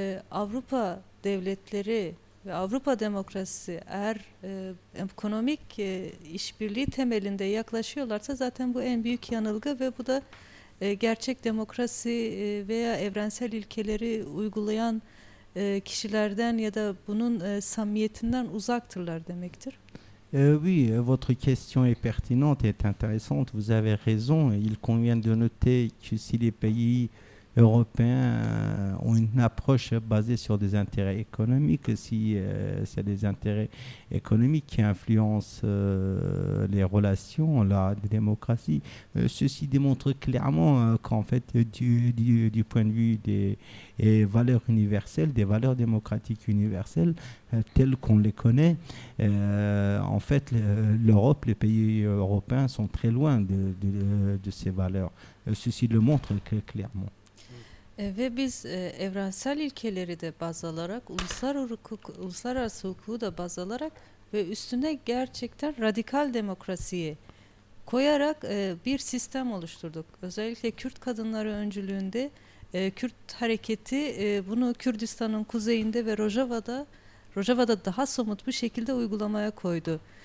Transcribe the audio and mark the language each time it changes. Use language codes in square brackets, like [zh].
[tr] Avrupa devletleri ve Avrupa demokrasisi eğer ekonomik işbirliği temelinde yaklaşıyorlarsa zaten bu en büyük yanılgı ve bu da gerçek demokrasi veya evrensel ilkeleri uygulayan kişilerden ya da bunun samimiyetinden uzaktırlar demektir. [fr] Oui, votre question est pertinente et est intéressante. Vous avez raison. Il convient de noter que si les pays européens ont une approche basée sur des intérêts économiques, si c'est des intérêts économiques qui influencent les relations, la démocratie, ceci démontre clairement qu'en fait, du point de vue des valeurs universelles, des valeurs démocratiques universelles, telles qu'on les connaît, en fait, l'Europe, les pays européens sont très loin de ces valeurs. Ceci le montre clairement. [tr] Ve biz evrensel ilkeleri de baz alarak, uluslararası hukuku da baz alarak ve üstüne gerçekten radikal demokrasiyi koyarak bir sistem oluşturduk. Özellikle Kürt kadınları öncülüğünde Kürt hareketi bunu Kürdistan'ın kuzeyinde ve Rojava'da daha somut bir şekilde uygulamaya koydu.